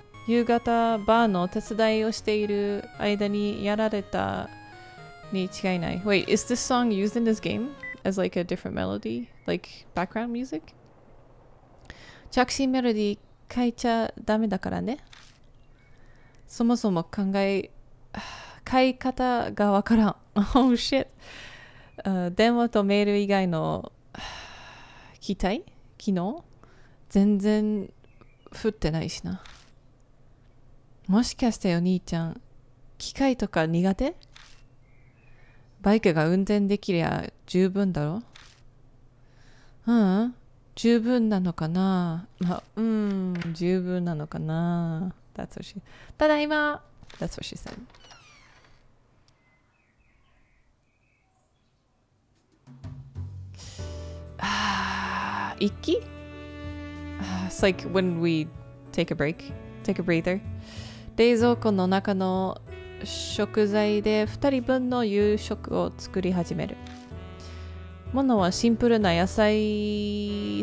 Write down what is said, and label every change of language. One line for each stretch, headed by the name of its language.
Japanese: 夕方、バーの手伝いをしている間にやられた。に違いない。
English: Wait, is this song used in this game as like a different melody? Like background music?
Japanese: 着信メロディー変えちゃダメだからね。そもそも変え方がわからん。
English: Oh shit.
Japanese: 電話とメール以外の機体機能全然降ってないしな。もしかしてお兄ちゃん、機械とか苦手？バイクが運転できりゃ十分だろ。うん、十分なのかな。まあ、十分なのかな。
English: That's what she.
Japanese: ただいま。
English: That's what she said.
Japanese: Ah, 息。
English: It's like when we take a break, take a breather.
Japanese: 冷蔵庫の中の食材で2人分の夕食を作り始める。ものはシンプルな野菜